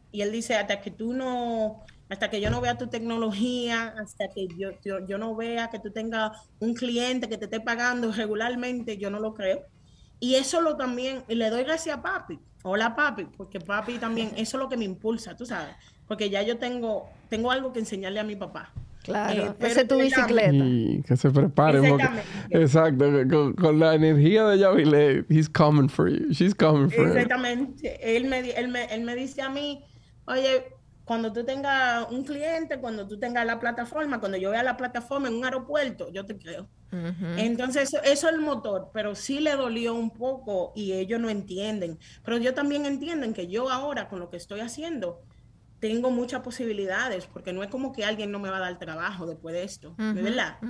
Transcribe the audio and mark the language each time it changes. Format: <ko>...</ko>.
<es>Y él dice, hasta que yo no vea tu tecnología, hasta que yo no vea que tú tengas un cliente que te esté pagando regularmente, yo no lo creo. Y eso lo también, y le doy gracias a papi. Hola, papi, porque papi también, eso es lo que me impulsa, tú sabes. Porque ya yo tengo algo que enseñarle a mi papá. Claro, ese es tu bicicleta. Y que se prepare. Exacto, con la energía de Yamillet,</es> <en>he's coming for you,</en> <es>she's coming for you. Exactamente, él me dice a mí, oye, cuando tú tengas un cliente, cuando tú tengas la plataforma, cuando yo vea la plataforma en un aeropuerto, yo te creo. Uh-huh. Entonces, eso es el motor, pero sí le dolió un poco y ellos no entienden. Pero yo también entienden que yo ahora, con lo que estoy haciendo, tengo muchas posibilidades, porque no es como que alguien no me va a dar trabajo después de esto, uh-huh, ¿verdad? Uh-huh.</es>